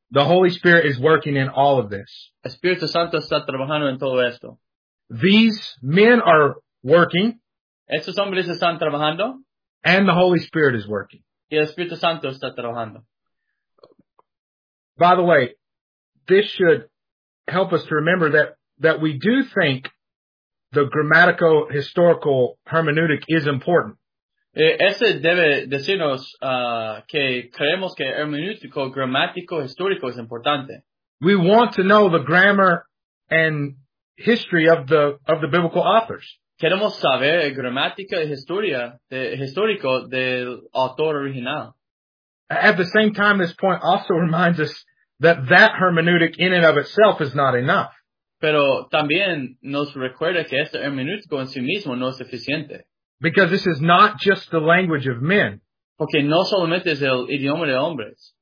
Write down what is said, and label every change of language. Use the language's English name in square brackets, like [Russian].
[English] The Holy Spirit is working in all of this. [Spanish] El Espíritu Santo está trabajando en todo esto. [English] These men are working. [Spanish] Estos hombres están trabajando. [English] And the Holy Spirit is working. [Spanish] Y el Espíritu Santo está trabajando. [English] By the way, this should help us to remember that we do think the grammatico-historical hermeneutic is important. [Spanish] Ese debe decirnos que creemos que hermenéutico grammatico-histórico es importante. [English] We want to know the grammar and history of the biblical authors. [Spanish] Queremos saber gramática y historia histórico del autor original. [English] At the same time, this point also reminds us that hermeneutic in and of itself is not enough. [Spanish] Pero también nos recuerda que este hermenéutico en sí mismo no es suficiente. [English] Because this is not just the language of men. [Spanish] Porque no solamente es el idioma de hombres.